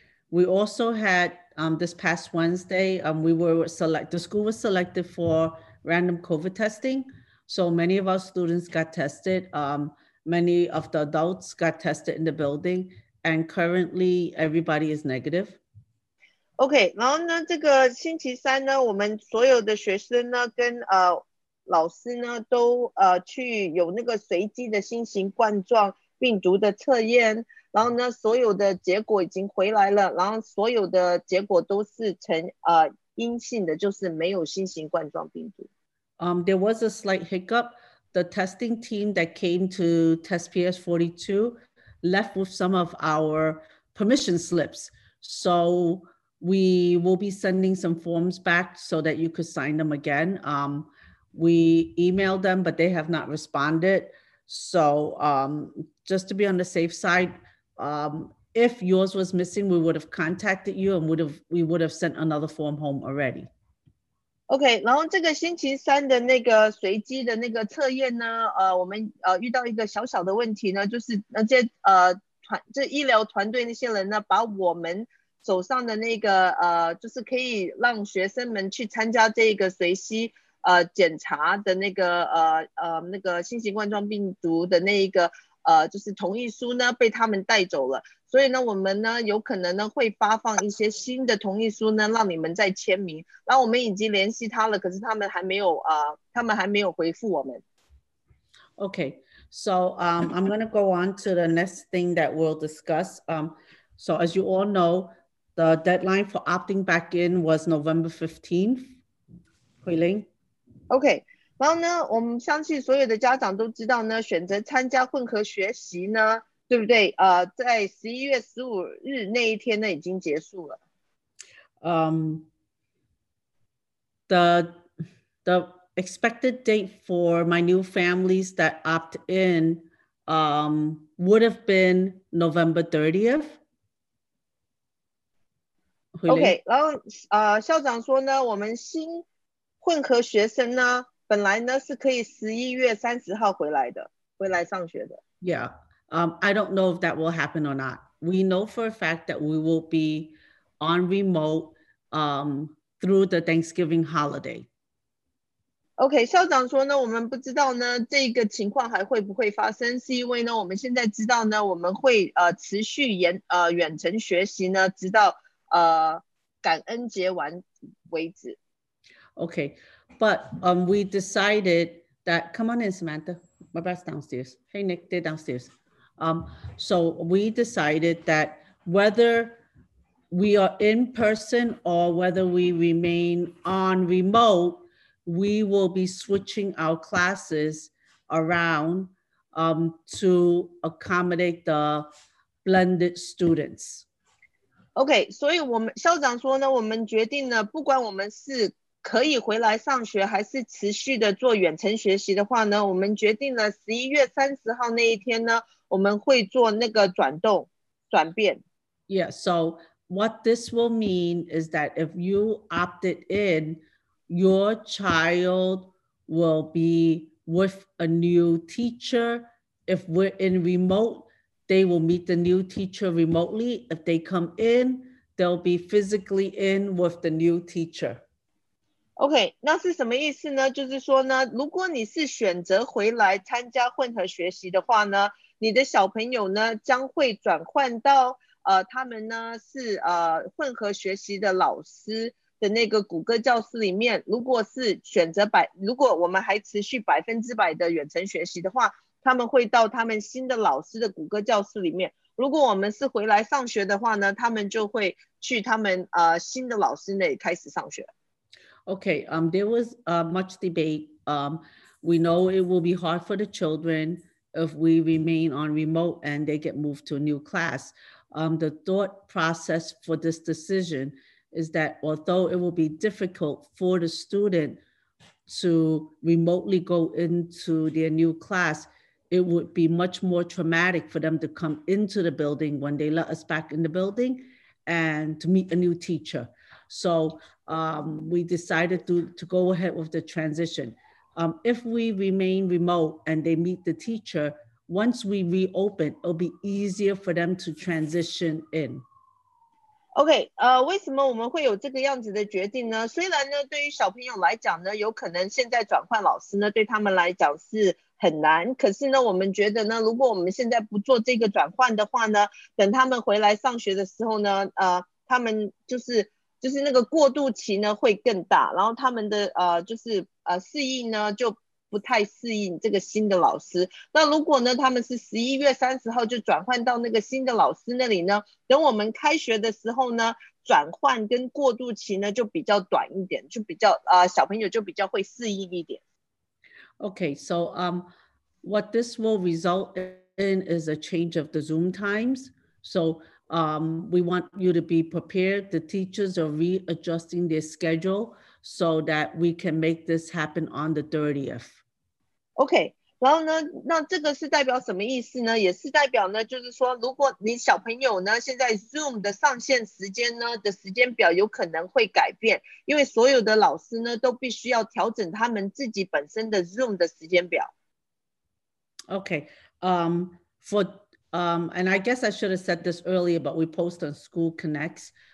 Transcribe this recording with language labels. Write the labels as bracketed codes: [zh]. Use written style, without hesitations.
[en] We also had this past Wednesday, the school was selected for random COVID testing. So many of our students got tested. Many of the adults got tested in the building, and currently everybody is negative. [zh] OK, 然后呢，这个星期三呢，我们所有的学生呢跟老师呢都去有那个随机的新型冠状病毒的测验，然后呢，所有的结果已经回来了，然后所有的结果都是呈阴性的，就是没有新型冠状病毒。 [en] There was a slight hiccup. The testing team that came to test PS42 left with some of our permission slips. So we will be sending some forms back so that you could sign them again. We emailed them, but they have not responded. So just to be on the safe side, if yours was missing, we would have contacted you and we would have sent another form home already. [zh] OK, 然后这个星期三的那个随机的那个测验呢，我们遇到一个小小的问题呢，就是那些这医疗团队那些人呢，把我们手上的那个就是可以让学生们去参加这个随机检查的那个那个新型冠状病毒的那一个就是同意书呢，被他们带走了。所以呢，我们呢有可能呢会发放一些新的同意书呢，让你们再签名。然后我们已经联系他了，可是他们还没有他们还没有回复我们。 [en] Okay, so I'm going to go on to the next thing that we'll discuss. So as you all know, the deadline for opting back in was November 15th. Huiling. Okay. [zh] 然后呢，我们相信所有的家长都知道呢，选择参加混合学习呢，对不对？在11月15日那一天呢，已经结束了。 [en] The expected date for my new families that opt in would have been November 30th. [zh] OK, 然后校长说呢，我们新混合学生呢，本来呢是可以11月30号回来的，回来上学的。 [en] Yeah, I don't know if that will happen or not. We know for a fact that we will be on remote through the Thanksgiving holiday. [zh] OK, 校长说呢，我们不知道呢这个情况还会不会发生，是因为呢我们现在知道呢我们会持续远程学习呢，直到感恩节完为止。 [en] Okay, but we decided that, come on in, Samantha. My brother's downstairs. Hey, Nick, they're downstairs. So we decided that whether we are in person or whether we remain on remote, we will be switching our classes around to accommodate the blended students. [zh] OK, 所以我们校长说呢，我们决定呢，不管我们是可以回来上学还是持续的做远程学习的话呢，我们决定了11月30号那一天呢，我们会做那个转动，转变。 [en] Yeah, so what this will mean is that if you opted in, your child will be with a new teacher. If we're in remote, they will meet the new teacher remotely. If they come in, they'll be physically in with the new teacher. [zh] Okay, 那是什么意思呢？就是说呢，如果你是选择回来参加混合学习的话呢，你的小朋友呢将会转换到他们呢是混合学习的老师的那个谷歌教室里面。如果是选择如果我们还持续百分之百的远程学习的话，他们会到他们新的老师的谷歌教室里面。如果我们是回来上学的话呢，他们就会去他们新的老师那里开始上学。 [en] Okay, there was much debate. We know it will be hard for the children if we remain on remote and they get moved to a new class. The thought process for this decision is that although it will be difficult for the student to remotely go into their new class, it would be much more traumatic for them to come into the building when they let us back in the building and to meet a new teacher. So we decided to go ahead with the transition. If we remain remote and they meet the teacher, once we reopen, it'll be easier for them to transition in. [zh] Okay, 为什么我们会有这个样子的决定呢？虽然呢，对于小朋友来讲呢，有可能现在转换老师呢，对他们来讲是很难，可是呢，我们觉得呢，如果我们现在不做这个转换的话呢，等他们回来上学的时候呢，他们就是那个过渡期呢会更大，然后他们的适应呢就不太适应这个新的老师。那如果呢他们是11月30号就转换到那个新的老师那里呢，等我们开学的时候呢，转换跟过渡期呢就比较短一点，就比较小朋友就比较会适应一点。 [en] Okay, so what this will result in is a change of the Zoom times. So we want you to be prepared. The teachers are readjusting their schedule so that we can make this happen on the 30th. [zh] Okay, 然后呢，那这个是代表什么意思呢？也是代表呢，就是说，如果你小朋友呢，现在 Zoom 的上线时间呢的时间表有可能会改变，因为所有的老师呢都必须要调整他们自己本身的 Zoom 的时间表。 [en] Okay, and I guess I should have said this earlier, but we post on School Connects.